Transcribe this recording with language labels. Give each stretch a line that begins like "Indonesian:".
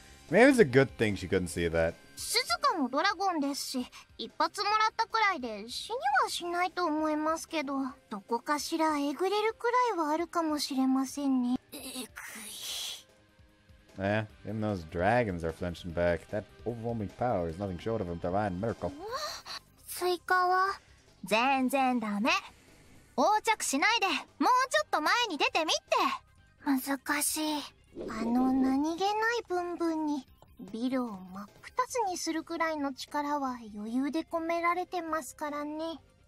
English: Maybe it's a good thing she couldn't see that.
Japanese: Suzuka もドラゴンですし、一発もらったくらいで死にはしないと思いますけど、どこかしらえぐれるくらいはあるかもしれませんね。えぐい。
English: Yeah, even those dragons are flinching back. That overwhelming power is nothing short of a divine miracle.
Japanese: スイカは全然ダメ。横着しないで、もうちょっと前に出てみて。難しい。あの何気ないブンブンにビルを真っ二つにするくらいの力は余裕で込められてますからね。